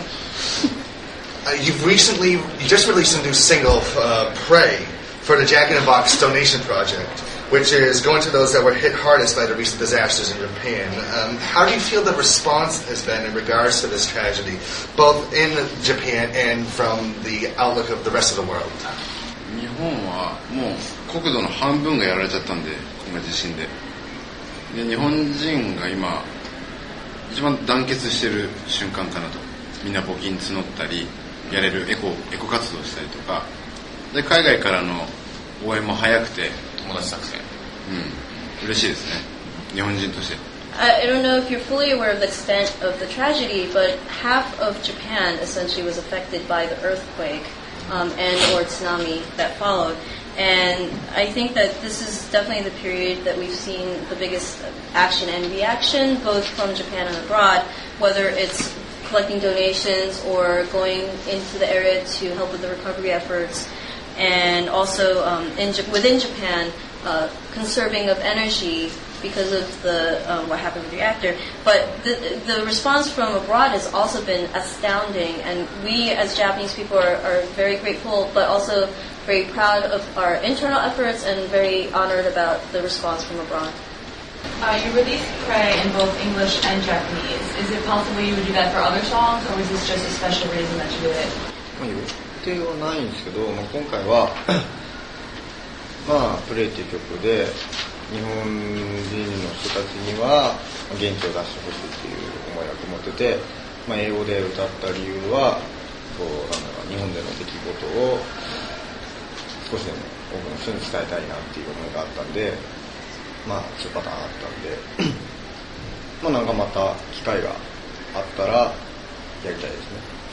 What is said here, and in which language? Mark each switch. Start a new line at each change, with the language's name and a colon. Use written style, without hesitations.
English: you just released a new single, Pray, for the Jack in the Box donation project, which is going to those that were hit hardest by the recent disasters in Japan. How do you feel the response has been in regards to this tragedy, both in Japan and from the outlook of the rest of the world?
Japanese: 日本はもう国土の半分がやられちゃったんで、この地震で。で、日本人が今一番団結してる瞬間かなと。みんな募金募ったり、やれるエコ活動したりとか。で、海外からの応援も早くて、友達作戦。うん、嬉しいですね。日本人として。
English: I don't know if you're fully aware of the extent of the tragedy, but half of Japan essentially was affected by the earthquake, and/or tsunami that followed. And I think that this is definitely the period that we've seen the biggest action and reaction, both from Japan and abroad, whether it's collecting donations or going into the area to help with the recovery efforts, and also within Japan, conserving of energy because of the what happened with the reactor. But the response from abroad has also been astounding, and we as Japanese people are very grateful, but also very proud of our internal efforts and very honored about the response from abroad. You released Pray in both English and Japanese. Is it possible you would do that for other songs, or is this just a special reason that you did it?
Japanese: ではないんですけど、まあ、今回は「まあ、プレイ」っていう曲で日本人の人たちには元気を出してほしいっていう思いを持ってて、まあ、英語で歌った理由はこうなんだろう日本での出来事を少しでも多くの人に伝えたいなっていう思いがあったんで、まあ、そういうパターンあったんで、まあ、なんかまた機会があったらやりたいですね。